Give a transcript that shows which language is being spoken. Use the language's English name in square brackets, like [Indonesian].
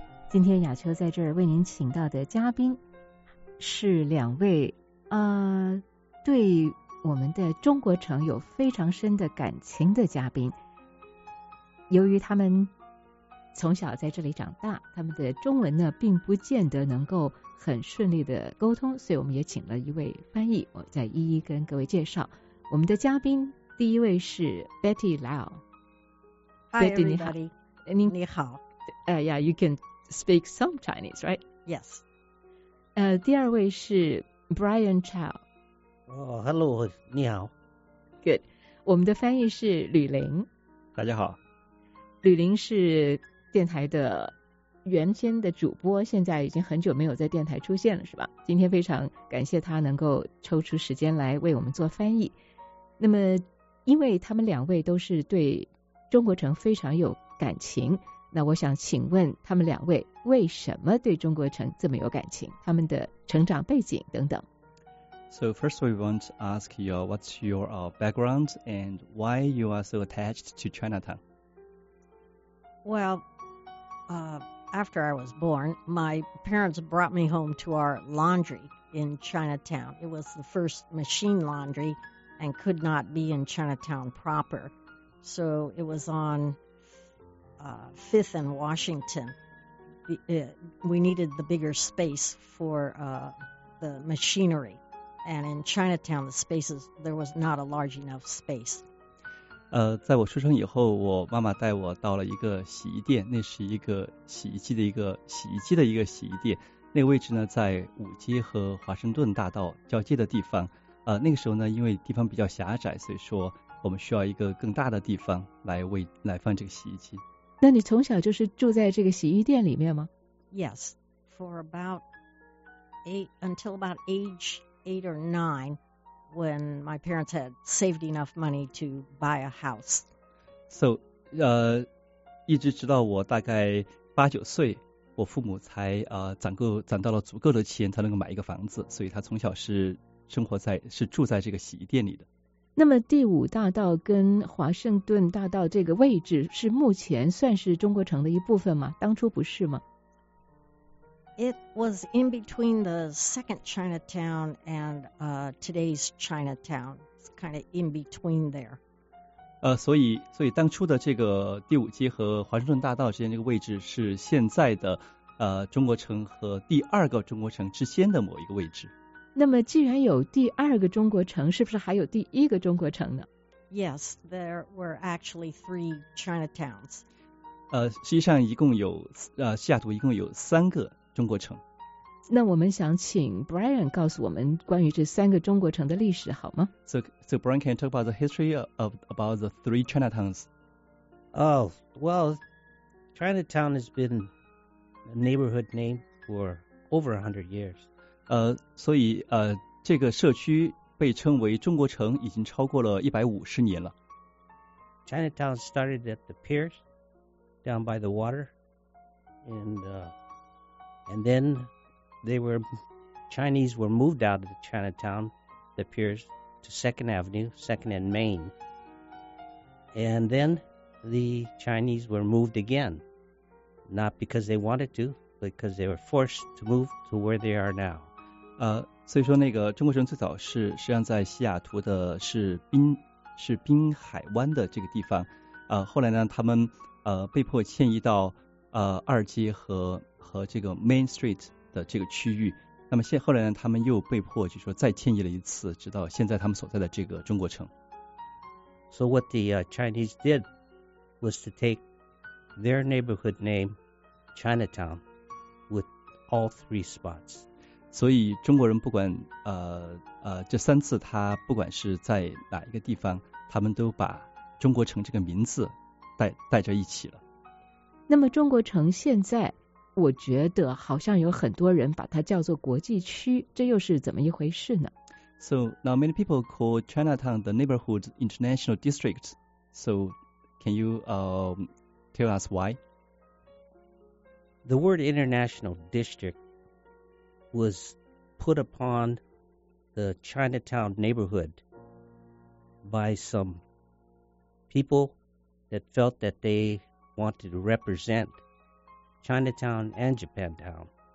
[Chinese] 今天雅秋在这儿为您请到的嘉宾是两位对我们的中国城有非常深的感情的嘉宾。由于他们从小在这里长大，他们的中文呢并不见得能够很顺利的沟通，所以我们也请了一位翻译，我再一一跟各位介绍我们的嘉宾。第一位是 Betty Lau。 [English] Hi Betty, everybody. [Chinese] 你好 [English] yeah, you can speak some Chinese, right? Yes. [Chinese] 第二位是 Brian Chow。 [English] Oh, hello, [Chinese] 你好。 Good. 我们的翻译是吕玲。大家好。吕玲是电台的原先的主播，现在已经很久没有在电台出现了，是吧？今天非常感谢他能够抽出时间来为我们做翻译。那么因为他们两位都是对中国城非常有感情，那我想请问他们两位为什么对中国城这么有感情，他们的成长背景等等。 [English] So first we want to ask you what's your background and why you are so attached to Chinatown. Well,after I was born, my parents brought me home to our laundry in Chinatown. It was the first machine laundry and could not be in Chinatown proper. So it was on 5th and Washington. We needed the bigger space for the machinery. And in Chinatown, the spaces, there was not a large enough space. [Chinese] 在我出生以后，我妈妈带我到了一个洗衣店，那是一个洗衣机的洗衣店。那个位置呢，在五街和华盛顿大道交接的地方。那个时候呢，因为地方比较狭窄，所以说我们需要一个更大的地方来放这个洗衣机。那你从小就是住在这个洗衣店里面吗 [English] ？Yes, for about until about age 8 or 9. When my parents had saved enough money to buy a house. [Chinese] So, 一直直到我大概8、9岁，我父母才攒到了足够的钱才能够买一个房子，所以他从小是住在这个洗衣店里的。那么第五大道跟华盛顿大道这个位置是目前算是中国城的一部分吗？当初不是吗？ [English] It was in between the second Chinatown and today's Chinatown. It's kind of in between there. [Chinese] 所以当初的这个第五街和华盛顿大道之间这个位置是现在的中国城和第二个中国城之间的某一个位置。那么既然有第二个中国城，是不是还有第一个中国城呢？ [English] Yes, there were actually 3 Chinatowns. [Chinese] 实际上一共有西雅图一共有三个中国城。那我们想请 Brian 告诉我们关于这三个中国城的历史好吗？ [English] So Brian, can you talk about the history about the 3 Chinatowns? Oh, well, Chinatown has been a neighborhood name for over 100 years. [Chinese] 所以这个社区被称为中国城已经超过了150年了。 [English] Chinatown started at the piers down by the water and then Chinese were moved out of the Chinatown, the piers, to 2nd Avenue, 2nd and Main. And then the Chinese were moved again, not because they wanted to, but because they were forced to move to where they are now. [Chinese] 所以说那个中国城最早是实际上在西雅图的是滨海湾的这个地方。后来呢他们被迫迁移到二街和这个 Main Street 的这个区域，那么后来呢，他们又被迫就说再迁移了一次，直到现在他们所在的这个中国城。 [English] So what the Chinese did was to take their neighborhood name Chinatown with all 3 spots. [Chinese] 所以中国人不管这三次他不管是在哪一个地方，他们都把中国城这个名字带着一起了。那么中国城现在我觉得好像有很多人把它叫做国际区，这又是怎么一回事呢？ [English] So now many people call Chinatown the neighborhood international district. So can you tell us why? The word international district was put upon the Chinatown neighborhood by some people that felt that they wanted to represent Chinatown and Japantown.